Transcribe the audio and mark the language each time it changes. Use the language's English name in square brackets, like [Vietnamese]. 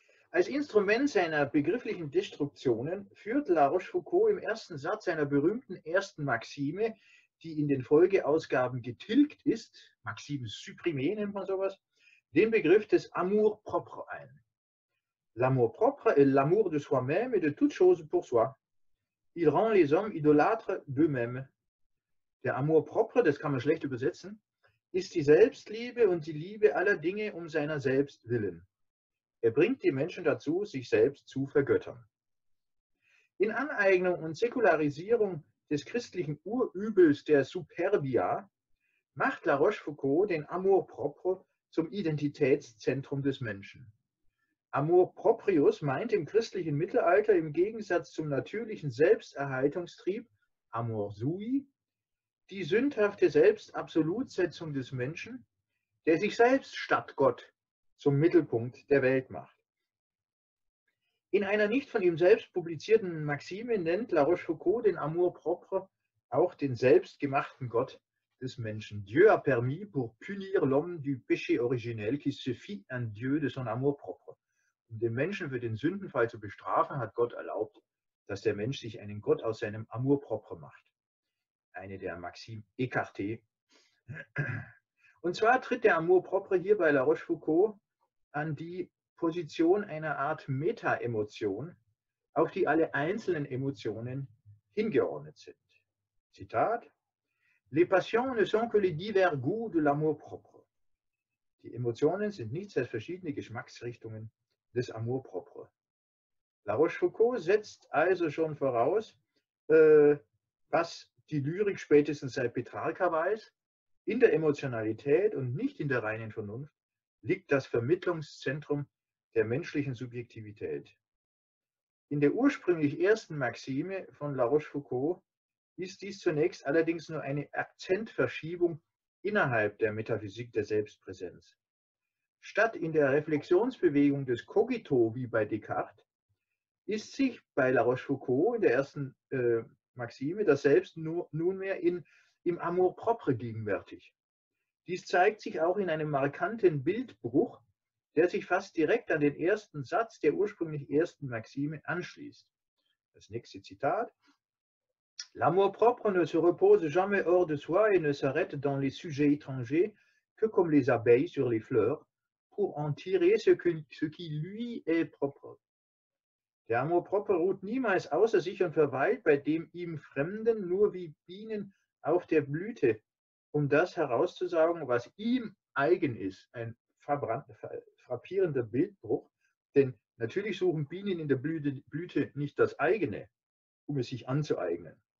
[German] Als Instrument seiner begrifflichen Destruktionen führt La Rochefoucauld im ersten Satz seiner berühmten ersten Maxime, die in den Folgeausgaben getilgt ist, Maxime supprimé nennt man sowas, den Begriff des Amour propre ein. [French] L'amour propre est l'amour de soi-même et de toute chose pour soi. Il rend les hommes idolâtres d'eux-mêmes. [German] Der Amour propre, das kann man schlecht übersetzen, ist die Selbstliebe und die Liebe aller Dinge um seiner selbst willen. Er bringt die Menschen dazu, sich selbst zu vergöttern. In Aneignung und Säkularisierung des christlichen Urübels der Superbia macht La Rochefoucauld den Amour propre zum Identitätszentrum des Menschen. Amour proprius meint im christlichen Mittelalter im Gegensatz zum natürlichen Selbsterhaltungstrieb Amor Sui, die sündhafte Selbstabsolutsetzung des Menschen, der sich selbst statt Gott zum Mittelpunkt der Welt macht. In einer nicht von ihm selbst publizierten Maxime nennt La Rochefoucauld den Amour propre auch den selbstgemachten Gott des Menschen. [French] Dieu a permis pour punir l'homme du péché originel qui se fit un Dieu de son amour propre. [German] Um den Menschen für den Sündenfall zu bestrafen, hat Gott erlaubt, dass der Mensch sich einen Gott aus seinem Amour propre macht. Eine der Maxime écarté. Und zwar tritt der Amour propre hier bei La Rochefoucauld an die Position einer Art Meta-Emotion, auf die alle einzelnen Emotionen hingeordnet sind. Zitat: [French] Les passions ne sont que les divers goûts de l'amour propre. [German] Die Emotionen sind nichts als verschiedene Geschmacksrichtungen des Amour propre. La Rochefoucauld setzt also schon voraus, was die Lyrik spätestens seit Petrarca weiß: In der Emotionalität und nicht in der reinen Vernunft liegt das Vermittlungszentrum der menschlichen Subjektivität. In der ursprünglich ersten Maxime von La Rochefoucauld ist dies zunächst allerdings nur eine Akzentverschiebung innerhalb der Metaphysik der Selbstpräsenz. Statt in der Reflexionsbewegung des Cogito wie bei Descartes, ist sich bei La Rochefoucauld in der ersten Maxime das Selbst nunmehr im Amour propre gegenwärtig. Dies zeigt sich auch in einem markanten Bildbruch, der sich fast direkt an den ersten Satz der ursprünglich ersten Maxime anschließt. Das nächste Zitat: [French] L'amour propre ne se repose jamais hors de soi et ne s'arrête dans les sujets étrangers que comme les abeilles sur les fleurs pour en tirer ce qui lui est propre. [German] Der Amour propre ruht niemals außer sich und verweilt bei dem ihm Fremden nur wie Bienen auf der Blüte, um das herauszusaugen, was ihm eigen ist. Ein frappierender Bildbruch, denn natürlich suchen Bienen in der Blüte nicht das eigene, um es sich anzueignen.